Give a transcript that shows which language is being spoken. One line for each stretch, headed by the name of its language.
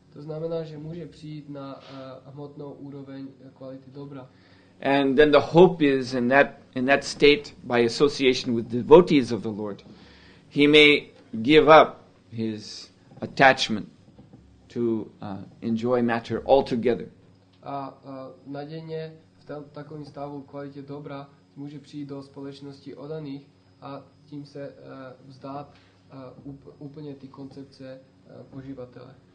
Czech: To znamená, že může přijít na hmotnou úroveň kvality dobra.
English: And then the hope is in that state, by association with devotees of the Lord, he may give up his attachment to enjoy matter altogether.
Czech: A nadějně v takovém stavu kvalitě dobra může přijít do společnosti odaných a tím se vzdát úplně ty koncepce poživatele.